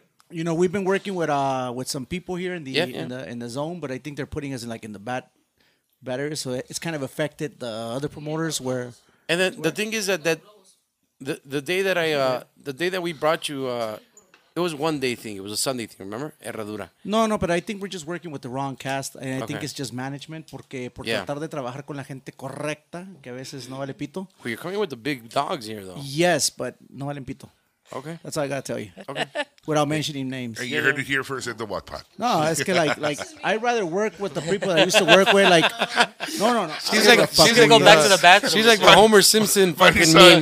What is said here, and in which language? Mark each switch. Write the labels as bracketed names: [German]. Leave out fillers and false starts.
[English] You know, we've been working with some people here in the zone, but I think they're putting us in like in the bad area, so it's kind of affected the other promoters where. And then the thing is the day that we brought you, it was one day thing. It was a Sunday thing. Remember, Herradura. No, but I think we're just working with the wrong cast, and I think it's just management. [Spanish] Porque tratar de trabajar con la gente correcta, que a veces no vale pito. [English] Well, you're coming with the big dogs here, though. Yes, but [Spanish] no vale pito. [English] Okay, that's all I gotta tell you. Okay, without mentioning names. And you heard it here first at the Watt Pot. No, it's que like I'd rather work with the people that I used to work with. Like, no. She's gonna go back to the bathroom. She's like the Homer Simpson fucking meme.